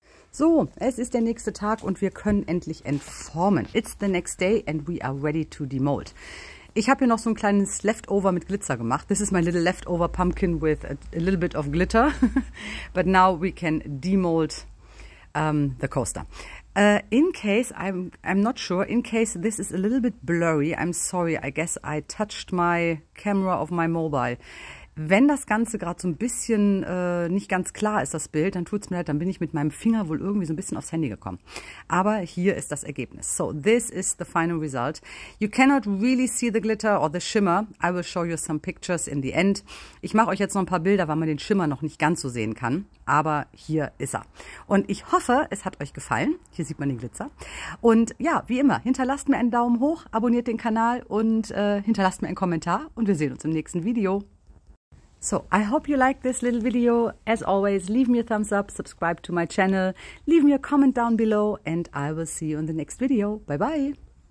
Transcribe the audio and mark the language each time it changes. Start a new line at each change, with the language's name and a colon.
German: So, es ist der nächste Tag und wir können endlich entformen.
English: It's the next day and we are ready to demold.
German: Ich habe hier noch so ein kleines Leftover mit Glitzer gemacht.
English: This is my little leftover pumpkin with a little bit of glitter. But now we can demold the coaster. In case this is a little bit blurry, I'm sorry, I guess I touched my camera of my mobile.
German: Wenn das Ganze gerade so ein bisschen nicht ganz klar ist, das Bild, dann tut es mir leid, dann bin ich mit meinem Finger wohl irgendwie so ein bisschen aufs Handy gekommen. Aber hier ist das Ergebnis.
English: So, this is the final result. You cannot really see the glitter or the shimmer. I will show you some pictures in the end.
German: Ich mache euch jetzt noch ein paar Bilder, weil man den Schimmer noch nicht ganz so sehen kann. Aber hier ist er. Und ich hoffe, es hat euch gefallen. Hier sieht man den Glitzer. Und ja, wie immer, hinterlasst mir einen Daumen hoch, abonniert den Kanal und hinterlasst mir einen Kommentar. Und wir sehen uns im nächsten Video.
English: So, I hope you like this little video. As always, leave me a thumbs up, subscribe to my channel, leave me a comment down below, and I will see you in the next video. Bye-bye.